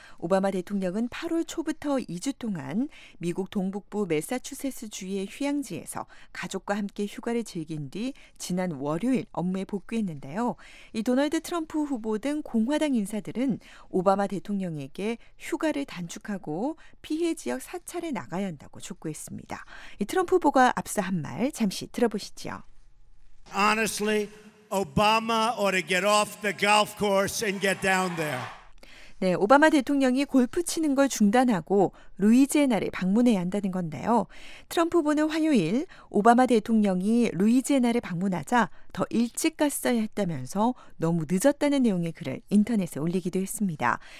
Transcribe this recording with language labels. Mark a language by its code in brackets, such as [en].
[ko] 오바마 대통령은 8월 초부터 2주 동안 미국 동북부 매사추세츠 주의 휴양지에서 가족과 함께 휴가를 즐긴 뒤 지난 월요일 업무에 복귀했는데요. 이 도널드 트럼프 후보 등 공화당 인사들은 오바마 대통령에게 휴가를 단축하고 피해 지역 사찰에 나가야 한다고 촉구했습니다. 이 트럼프 후보가 앞서 한 말 잠시 들어보시죠. [en] Honestly, Obama ought to get off the golf course and get down there. [ko] 네, 오바마 대통령이 골프 치는 걸 중단하고 루이지애나를 방문해야 한다는 건데요. 트럼프 후보는 화요일 오바마 대통령이 루이지애나를 방문하자 더 일찍 갔어야 했다면서 너무 늦었다는 내용의 글을 인터넷에 올리기도 했습니다.